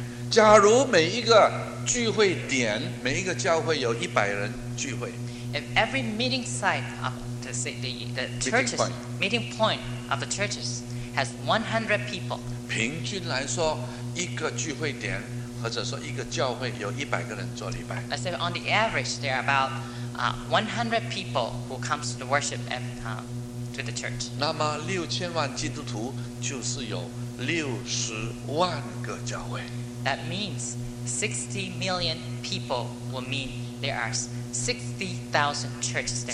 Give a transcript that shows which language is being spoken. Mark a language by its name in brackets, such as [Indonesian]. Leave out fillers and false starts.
[Chinese] 假如每一个聚会点，每一个教会有100人聚会。 [English] If every meeting site of the churches meeting point of the churches has 100 people. [Chinese] 平均来说，一个聚会点。或者说一个教会有100个人做礼拜。 [English] I said on the average there are about 100 people who comes to the worship and to the church. [Chinese] 那么60,000万基督徒就是有60,000个教会。 [English] That means 60 million people will mean there are 60,000 churches there.